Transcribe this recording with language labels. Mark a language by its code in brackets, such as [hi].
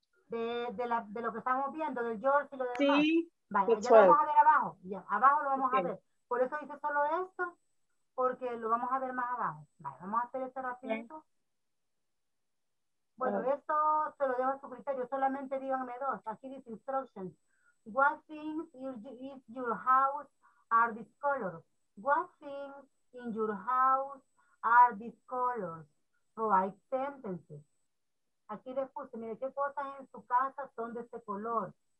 [es] De lo que estamos viendo, del George y lo demás. Sí, vale, ya lo vamos a ver abajo. Ya, abajo lo vamos a ver. Por eso dice solo esto, porque lo vamos a ver más abajo. Vale, vamos a hacer este rapidito. Bueno, esto se lo dejo a su criterio. Solamente díganme dos. Aquí dice instructions. [en] What things in your house are this color? What things in your house are this color? Provide sentences. [es] Aquí les puse, mire, ¿qué cosas en su casa son de este color?